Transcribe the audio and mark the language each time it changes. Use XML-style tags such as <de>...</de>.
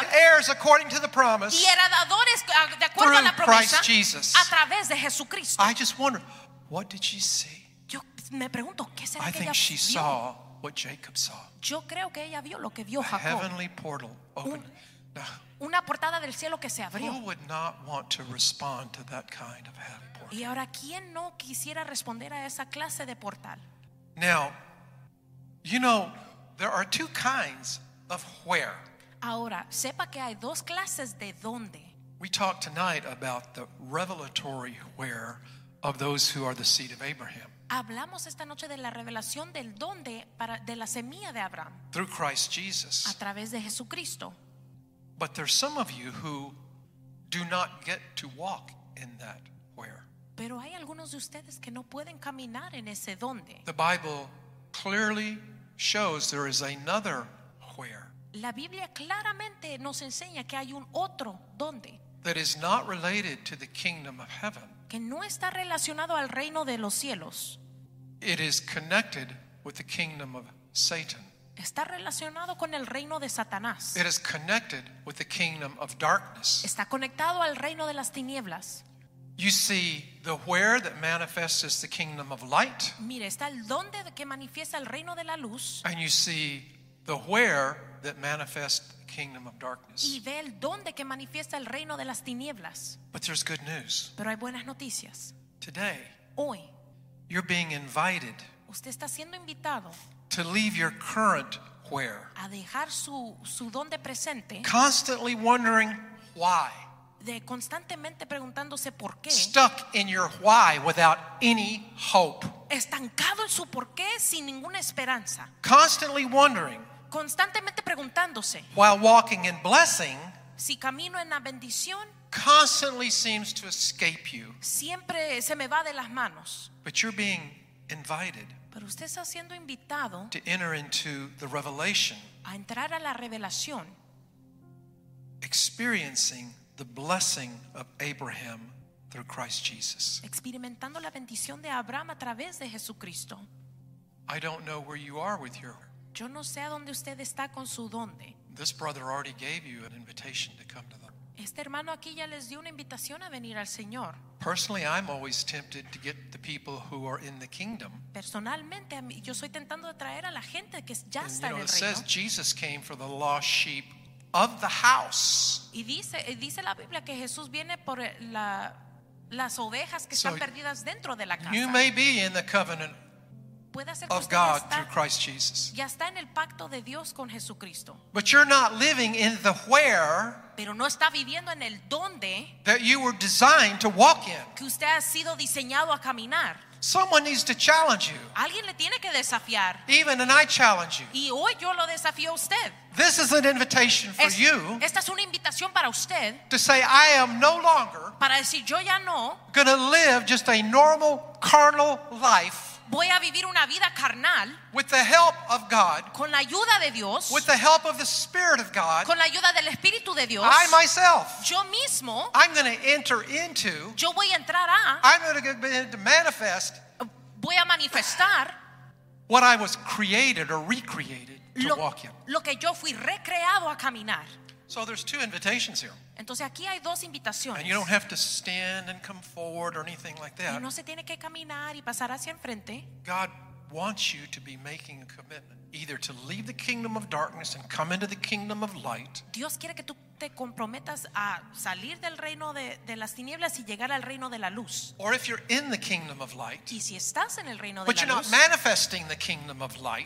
<en>and heirs according to the promise,</en> <es>y heredadores de acuerdo a la promesa,</es> <en>through Christ Jesus,</en> <es>a través de Jesucristo.</es> <en>I just wonder, what did she see?</en> <es>Yo me pregunto, ¿qué será que</es> <en>I think</en> <es>ella</es> <en>she</en> <es>vio?</es> <en>Saw what Jacob saw.</en> <es>Yo creo que ella vio lo que vio a Jacob.</es> <en>Heavenly portal open.</en> <es>Una portada del cielo que se abrió.</es> <en>Who would not want to respond to that kind of heaven portal?</en> <es>Y ahora, ¿quién no quisiera responder a esa clase de portal?</es> <en>Now, you know, there are two kinds of where.</en> <es>Ahora, sepa que hay dos clases de dónde.</es> <en>We talk tonight about the revelatory where of those who are the seed of Abraham.</en> <es>Hablamos esta noche de la revelación del dónde para de la semilla de Abraham.</es> <en>Through Christ Jesus.</en> <es>A través de Jesucristo.</es> <en>But there's some of you who do not get to walk in that where.</en> <es>Pero hay algunos de ustedes que no pueden caminar en ese dónde.</es> <en>The Bible clearly shows there is another where.</en> <es>La Biblia claramente nos enseña que hay un otro dónde.</es> <en>That is not related to the kingdom of heaven.</en> <es>que no está relacionado al reino de los cielos.</es> <en>It is connected with the kingdom of Satan.</en> <es>Está relacionado con el reino de Satanás.</es> <en>It is connected with the kingdom of darkness.</en> <es>Está conectado al reino de las tinieblas.</es> <en>You see the where that manifests the kingdom of light.</en> <es>Mira, está el donde que manifiesta el reino de la luz.</es> <en>And you see the where that manifests the kingdom of darkness.</en> <es>Y ve el donde que manifiesta el reino de las tinieblas.</es> <en>But there's good news.</en> <es>Pero hay buenas noticias.</es> <en>Today.</en> <es>Hoy.</es> <en>You're being invited.</en> <es>Usted está siendo invitado.</es> <en>To leave your current where.</en> <es>A dejar su donde presente.</es> <en>Constantly wondering why.</en> <es>De constantemente preguntándose por qué.</es> <en>Stuck in your why without any hope.</en> <es>Estancado en su por qué sin ninguna esperanza.</es> <en>Constantly wondering.</en> <es>Constantemente preguntándose.</es> <en>While walking in blessing.</en> <es>Si camino en la bendición.</es> <en>Constantly seems to escape you.</en> <es>Siempre se me va de las manos.</es> <en>But you're being invited.</en> <es>Pero usted está siendo invitado.</es> <en>To enter into the revelation.</en> <es>A entrar a la revelación.</es> <en>Experiencing the blessing of Abraham through Christ Jesus.</en> <es>Experimentando la bendición de Abraham a través de Jesucristo.</es> <en>I don't know where you are with your.</en> <es>Yo no sé a dónde usted está con su dónde.</es> <en>This brother already gave you an invitation to come to the.</en> <es>Este hermano aquí ya les dio una invitación a venir al Señor.</es> <en>Personally, I'm always tempted to get the people who are in the kingdom.</en> <es>Personalmente, yo soy tentando de traer a la gente que ya</es> <en>and,</en> <es>está</es> <en>you know,</en> <es>en el</es> <en>it</en> <es>reino.</es> <en>It says Jesus came for the lost sheep. Of the house.</en> <es>Y dice la Biblia que Jesús viene por las ovejas que están perdidas dentro de la casa.</es> <en>You may be in the covenant of God through Christ Jesus.</en> <es>Ya está en el pacto de Dios con Jesucristo.</es> <en>But you're not living in the where.</en> <es>Pero no está viviendo en el donde.</es> <en>That you were designed to walk in.</en> <es>Que usted ha sido diseñado a caminar.</es> <en>Someone needs to challenge you.</en> <es>Alguien le tiene que desafiar.</es> <en>Even and I challenge you.</en> <es>Y hoy yo lo desafío a usted.</es> <en>This is an invitation for you.</en> <es>Esta es una invitación para usted.</es> <en>To say I am no longer.</en> <es>Para decir yo ya no.</es> <en>Going to live just a normal carnal life.</en> <es>Voy a vivir una vida carnal.</es> <en>With the help of God.</en> <es>Con la ayuda de Dios.</es> <en>With the help of the Spirit of God.</en> <es>Con la ayuda del Espíritu de Dios.</es> <en>I myself.</en> <es>Yo mismo.</es> <en>I'm going to enter into.</en> <es>Yo voy a entrar a.</es> <en>I'm going to begin to manifest.</en> <es>Voy a manifestar.</es> <en>What I was created or recreated to walk in.</en> <es>Lo que yo fui recreado a caminar.</es> <en>So there's two invitations here.</en> <es>Entonces aquí hay dos invitaciones.</es> <en>And you don't have to stand and come forward or anything like that.</en> <es>Y no se tiene que caminar y pasar hacia enfrente.</es> <en>God wants you to be making a commitment, either to leave the kingdom of darkness and come into the kingdom of light.</en> <es>Dios quiere que tú te comprometas a salir del reino de las tinieblas y llegar al reino de la luz.</es> <en>Or if you're in the kingdom of light.</en> <es>Y si estás en el reino de luz.</es> <en>But you're not manifesting the kingdom of light.</en>